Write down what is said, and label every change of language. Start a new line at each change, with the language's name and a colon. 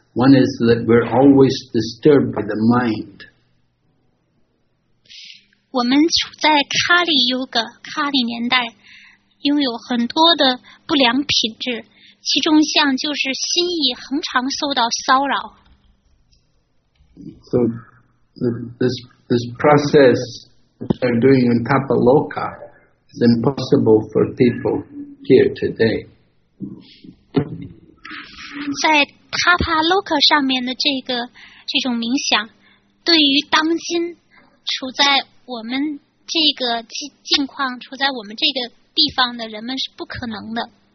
English: One is that we're always disturbed by the mind.
Chinese: 我们处在卡利瑜伽卡利年代。拥有很多的不良品质，其中像就是心意恒常受到骚扰。
English: So this process they're doing in Tapaloka is impossible for people here today.
Chinese: 在塔帕洛克上面的这种冥想，对于当今处在我们这个境况，处在我们这个。地方的人们是不可能的。